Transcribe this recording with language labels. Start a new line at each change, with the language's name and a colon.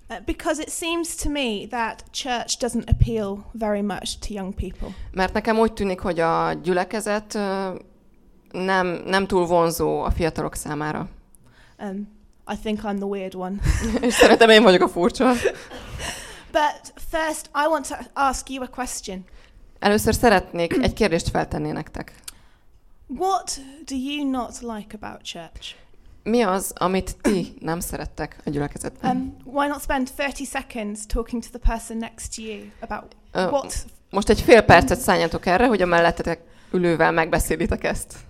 English: Because it seems to me that church doesn't appeal very much to young people.
Hungarian: Mert nekem úgy tűnik, hogy a gyülekezet nem túl vonzó a fiatalok számára.
English: I think I'm the weird one.
Hungarian: És szerintem én vagyok a furcsa.
English: But first I want to ask you a question.
Hungarian: Először szeretnék egy kérdést feltenni nektek.
English: What do you not like about church?
Hungarian: Mi az, amit ti nem szerettek a gyülekezetben?
English: Why not spend 30 seconds talking to the person next to you about what?
Hungarian: Most egy fél percet szálljatok erre, hogy a mellettetek ülővel megbeszélitek ezt.